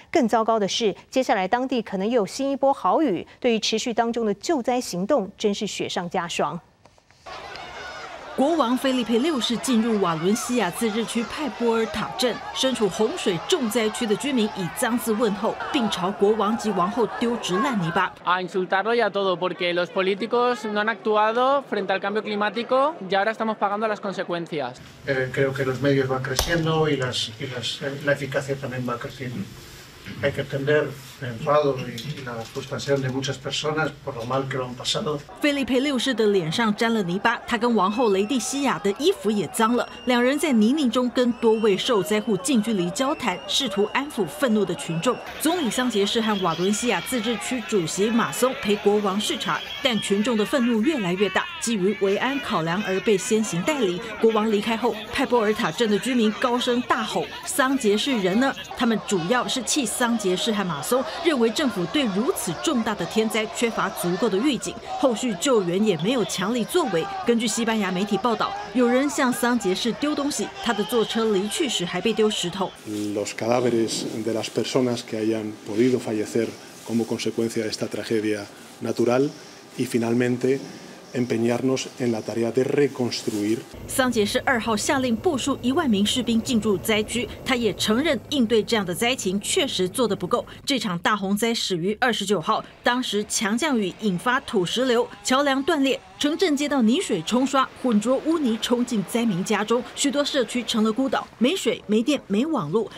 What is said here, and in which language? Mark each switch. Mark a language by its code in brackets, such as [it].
[zh] 更糟糕的是，接下来当地可能又有新一波豪雨，对于持续当中的救灾行动真是雪上加霜。国王菲利佩六世进入瓦伦西亚自治区派波尔塔镇，身处洪水重灾区的居民以脏字问候，并朝国王及王后丢掷烂泥巴。 [es] A insultarlo y a todo porque los políticos no han actuado frente al cambio climático y ahora estamos pagando las consecuencias. Creo que los medios van creciendo y la eficacia también va creciendo. Hay que entender el enfado y la frustración de muchas personas por lo mal que lo han pasado. [zh] Felipe 六世的脸上沾了泥巴，他跟王后雷蒂西亚的衣服也脏了。两人在泥泞中跟多位受灾户近距离交谈，试图安抚愤怒的群众。总理桑杰士和瓦伦西亚自治区主席马松陪国王视察，但群众的愤怒越来越大，基于维安考量而被先行带离。国王离开后，派波尔塔镇的居民高声大吼：“桑杰士人呢？” 他们主要是气桑杰士和马松，认为政府对如此重大的天灾缺乏足够的预警，后续救援也没有强力作为。根据西班牙媒体报道，有人向桑杰士丢东西，他的坐车离去时还被丢石头。 [es] Los cadáveres de las personas que hayan podido fallecer como consecuencia de esta tragedia natural y finalmente empeñarnos en la tarea de reconstruir。 [zh] 桑杰士二号下令部署10000名士兵进驻灾区，他也承认应对这样的灾情确实做得不够。这场大洪灾始于29号，当时强降雨引发土石流，桥梁断裂，城镇街道泥水冲刷，浑浊污泥冲进灾民家中，许多社区成了孤岛，没水、没电、没网络。